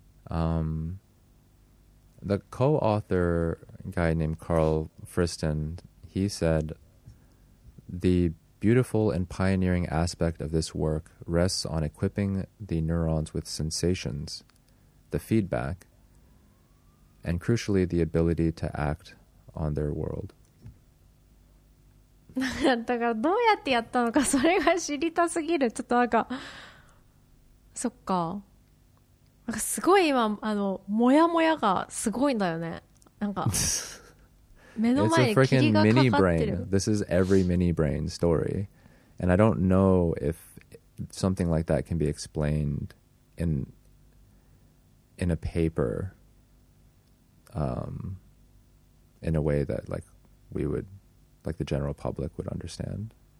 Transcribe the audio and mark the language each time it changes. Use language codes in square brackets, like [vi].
[en] The co-author guy named Carl Fristen, he said, the beautiful and pioneering aspect of this work rests on equipping the neurons with sensations, the feedback, and crucially, the ability to act on their world. [ja] だからどうやってやったのかそれが知りたすぎる。ちょっとなんか、そっか。なんかすごい今あのモヤモヤがすごいんだよね。なんか目の前に霧がかかってる。 [en] This is every mini brain story, and I don't know if something like that can be explained in a paper, in a way that like we would like the general public would understand.